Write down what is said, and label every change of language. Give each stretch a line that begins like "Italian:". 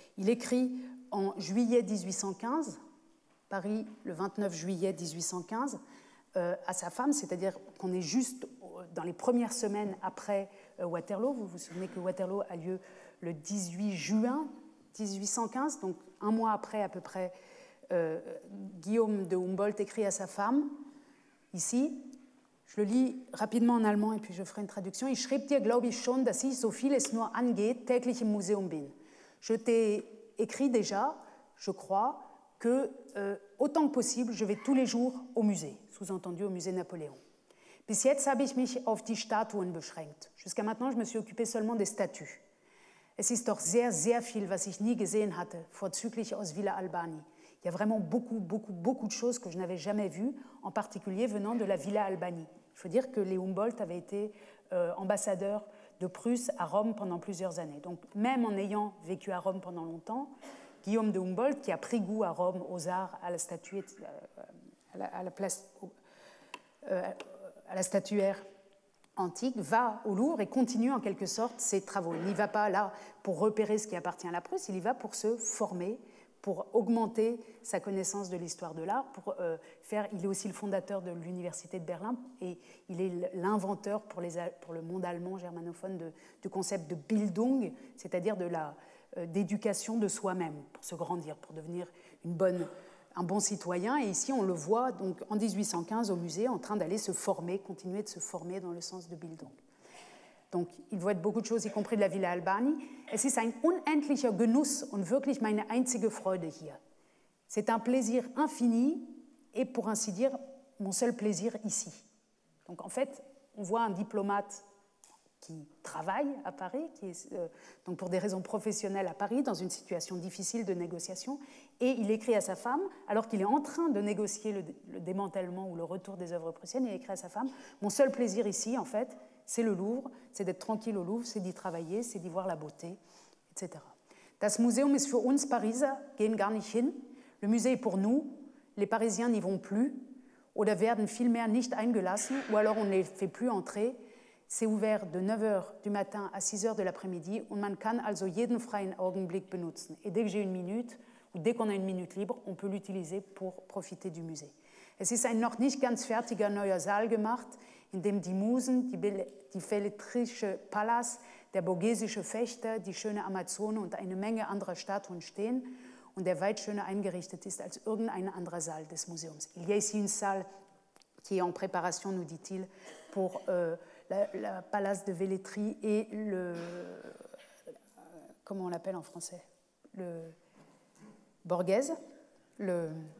French: Il écrit en juillet 1815, Paris le 29 juillet 1815, à sa femme, c'est-à-dire qu'on est juste dans les premières semaines après Waterloo. Vous vous souvenez que Waterloo a lieu le 18 juin 1815, donc un mois après à peu près. Guillaume de Humboldt écrit à sa femme, ici, je le lis rapidement en allemand et puis je ferai une traduction.
German: Ich schrieb dir, glaube ich, schon, dass ich, so viel es nur angeht, täglich im Museum bin.
French: Je t'ai écrit déjà, je crois, que autant que possible, je vais tous les jours au musée, sous-entendu au musée Napoléon.
German: Bis jetzt habe ich mich auf die Statuen beschränkt.
French: Jusqu'à maintenant, je me suis occupé seulement des statues.
German: Es ist doch sehr, sehr viel, was ich nie gesehen hatte, vorzüglich aus Villa Albani.
French: Il y a vraiment beaucoup, beaucoup, beaucoup de choses que je n'avais jamais vues, en particulier venant de la Villa Albani. Il faut dire que Léon Humboldt avait été ambassadeur de Prusse à Rome pendant plusieurs années. Donc, même en ayant vécu à Rome pendant longtemps, Guillaume de Humboldt, qui a pris goût à Rome, aux arts, à la statue, à la statuaire antique, va au Louvre et continue en quelque sorte ses travaux. Il n'y va pas là pour repérer ce qui appartient à la Prusse, il y va pour se former, pour augmenter sa connaissance de l'histoire de l'art, pour il est aussi le fondateur de l'Université de Berlin et il est l'inventeur pour le monde allemand germanophone du concept de Bildung, c'est-à-dire de la d'éducation de soi-même pour se grandir, pour devenir un bon citoyen. Et ici, on le voit donc en 1815 au musée en train d'aller se former, continuer de se former dans le sens de Bildung. Donc, il voit beaucoup de choses, y compris de la Villa Albani.
German: Es ist ein unendlicher Genuss und wirklich meine einzige Freude hier.
French: C'est un plaisir infini et, pour ainsi dire, mon seul plaisir ici. Donc, en fait, on voit un diplomate qui travaille à Paris, qui est donc pour des raisons professionnelles à Paris, dans une situation difficile de négociation, et il écrit à sa femme, alors qu'il est en train de négocier le démantèlement ou le retour des œuvres prussiennes, il écrit à sa femme, mon seul plaisir ici, en fait, c'est le Louvre, c'est d'être tranquille au Louvre, c'est d'y travailler, c'est d'y voir la beauté, etc.
German: Das Museum ist für uns Pariser, gehen gar nicht hin.
French: Le musée est pour nous, les Parisiens n'y vont plus,
German: oder werden vielmehr nicht eingelassen,
French: ou alors on ne les fait plus entrer. C'est ouvert de 9h du matin à 6h de l'après-midi,
German: und man kann also jeden freien Augenblick benutzen.
French: Et dès que j'ai une minute, ou dès qu'on a une minute libre, on peut l'utiliser pour profiter du musée.
German: Es ist ein noch nicht ganz fertiger neuer Saal gemacht, in dem die Musen, die Feletrische Palace, der Borghesische Fechter, die schöne Amazone und eine Menge anderer Statuen stehen und der weit schöner eingerichtet ist als irgendein anderer Saal des Museums.
French: Il y a ici une salle qui est en préparation, nous dit-il, pour la Palace de Velletri et le... Comment on l'appelle en français? Le Borghese? Le...